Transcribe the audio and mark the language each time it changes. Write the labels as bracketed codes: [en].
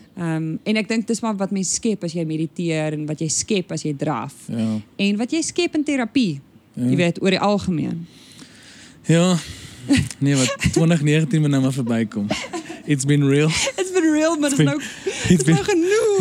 [af] En ek dink, dis maar wat mens skep as jy mediteer, en wat jy skep as jy draf. Ja. En wat jy skep in therapie, jy weet, oor die algemeen. Ja, nee, wat 2019 moet nou maar voorbij kom. [en] It's been real. It's been real, [af] maar [en] it's been, [af] nou genoeg.